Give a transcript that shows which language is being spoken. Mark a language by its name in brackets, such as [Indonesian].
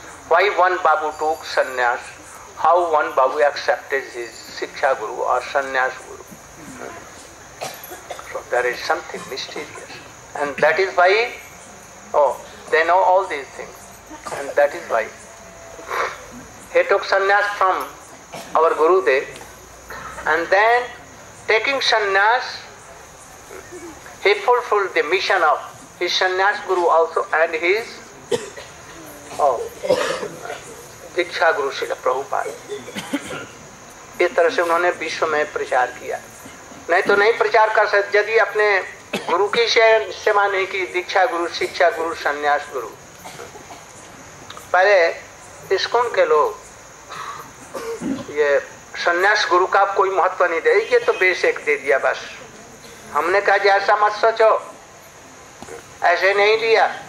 [English] Why Van Babu took sannyas, how Van Babu accepted his shiksha guru और sannyas guru. So there is something mysterious and that is why they know all these things and that is why He took sannyas from our Gurudev, And then, taking sannyas, he fulfilled the mission of his sannyas guru also and his diksha guru Srila Prabhupada. [Hindi] इस तरह से उन्होंने विश्व में प्रचार किया नहीं तो नहीं प्रचार कर सकते यदि अपने गुरु की सेवा नहीं की दीक्षा गुरु शिक्षा गुरु संन्यास गुरु पहले इस्कॉन के लोग ये संन्यास गुरु का कोई महत्व नहीं दे ये तो बेसिक दे दिया बस हमने कहा जी ऐसा मत सोचो ऐसे नहीं लिया